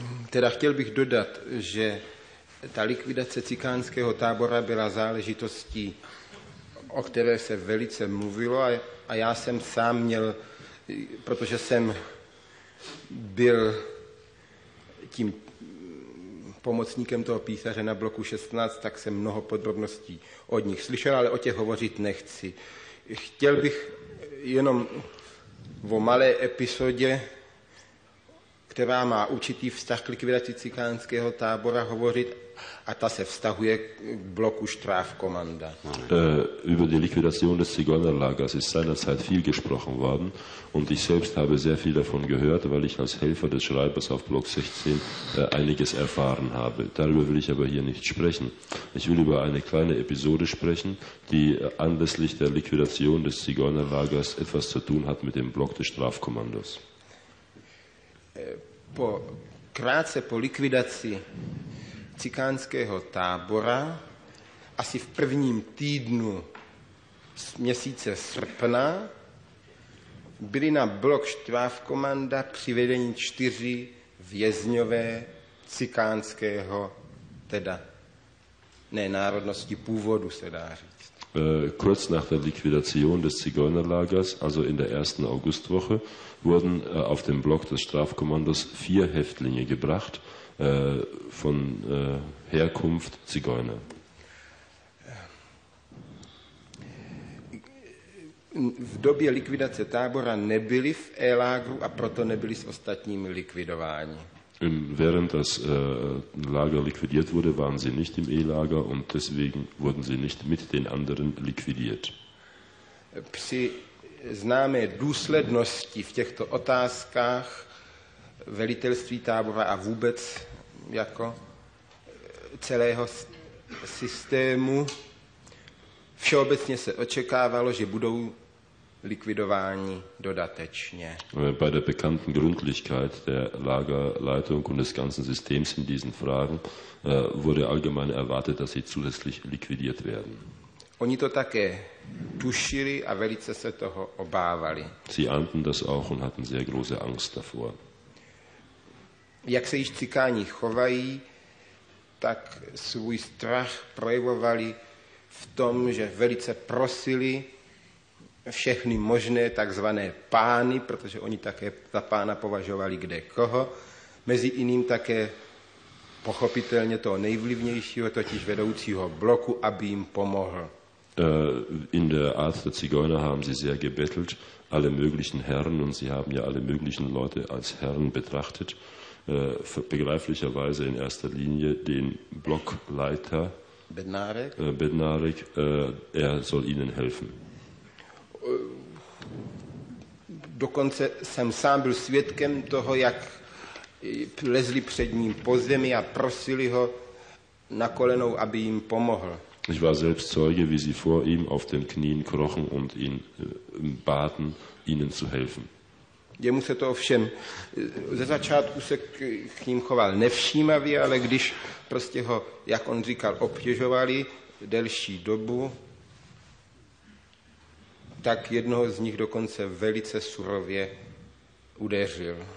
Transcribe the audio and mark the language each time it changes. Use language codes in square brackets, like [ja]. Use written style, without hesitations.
[cs] Teda chtěl bych dodat, že ta likvidace cikánského tábora byla záležitostí, o které se velice mluvilo a já jsem sám měl, protože jsem byl tím pomocníkem toho písaře na bloku 16, tak jsem mnoho podrobností od nich slyšel, ale o těch hovořit nechci. Chtěl bych jenom o malé epizodě, která má určitý vztah k likvidaci cikánského tábora, hovořit a ta se vztahuje k bloku Strafkommanda. [de] Über die Liquidation des Zigeunerlagers ist seinerzeit viel gesprochen worden und ich selbst habe sehr viel davon gehört, weil ich als Helfer des Schreibers auf Block 16 einiges erfahren habe. Darüber will ich aber hier nicht sprechen. Ich will über eine kleine Episode sprechen, die anlässlich der Liquidation des Zigeunerlagers etwas zu tun hat mit dem Block des Strafkommandos. [cs] Krátce po likvidaci cikánského tábora, asi v prvním týdnu z měsíce srpna, byli na blok Strafkommanda přivedeni 4 vězňové cikánského, teda ne národnosti, původu se dá říct. [de] Kurz nach der Liquidation des Zigeunerlagers, also in der ersten Augustwoche, wurden auf dem Block des Strafkommandos 4 Häftlinge gebracht, von Herkunft Zigeuner. [cs] v době likvidace tábora nebyli v E-lágru a proto nebyli s ostatními likvidováni. [de] Während das Lager liquidiert wurde, waren sie nicht im E-Lager und deswegen wurden sie nicht mit den anderen liquidiert. [cs] Při známé důslednosti v těchto otázkách velitelství tábora a vůbec jako celého systému všeobecně se očekávalo, že budou likvidování dodatečně. [de] Bei der bekannten Gründlichkeit der Lagerleitung und des ganzen Systems in diesen Fragen wurde allgemein erwartet, dass sie zusätzlich liquidiert werden. [cs] Oni to také tušili a velice se toho obávali. [de] Sie ahnten das auch und hatten sehr große Angst davor. [cs] Jak se již cikáni chovají, tak svůj strach projevovali v tom, že velice prosili všechny možné takzvané pány, protože oni také za pána považovali kde koho, mezi iným také pochopitelně toho nejvlivnějšího, totiž vedoucího bloku, aby jim pomohl. [de] In der Art der Zigeuner haben sie sehr gebettelt, alle möglichen Herren, und sie haben ja alle möglichen Leute als Herren betrachtet, begreiflicherweise in erster Linie den Blockleiter Bednárek, er soll ihnen helfen. [cs] Dokonce jsem sám byl svědkem toho, jak lezli před ním po zemi a prosili ho na kolenou, aby jim pomohl. [de] Ich war selbst Zeuge, wie sie vor ihm auf den Knien krochen und ihn baten, ihnen zu helfen. [cs] Jemu se to ovšem, ze začátku se k ním choval nevšímavě, ale když prostě ho, jak on říkal, obtěžovali delší dobu, tak jednoho z nich dokonce velice surově udeřil.